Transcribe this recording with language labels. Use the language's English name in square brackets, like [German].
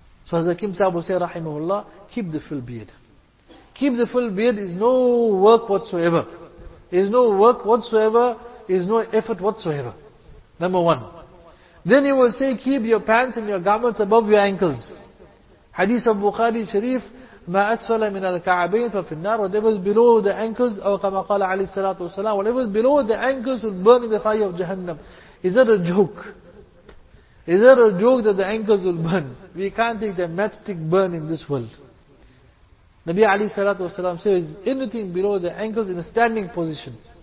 [English] So as Hakim Sahib will say, rahimahullah, keep the full beard. Keep the full beard is no work whatsoever. Is no work whatsoever, is no effort whatsoever. Number one. Then he will say, keep your pants and your garments above your ankles. Hadith of Bukhari Sharif, [Arabic] ما أسفل من الكعبين ففي النار. [English] Whatever is below the ankles, [Arabic] أو كما قال عليه الصلاة والسلام, [English] whatever is below the ankles will burn in the fire of Jahannam. Is that a joke? Is that a joke that the ankles will burn? We can't take the matchstick burn in this world. Nabi عليه الصلاة والسلام says, anything below the ankles in a standing position.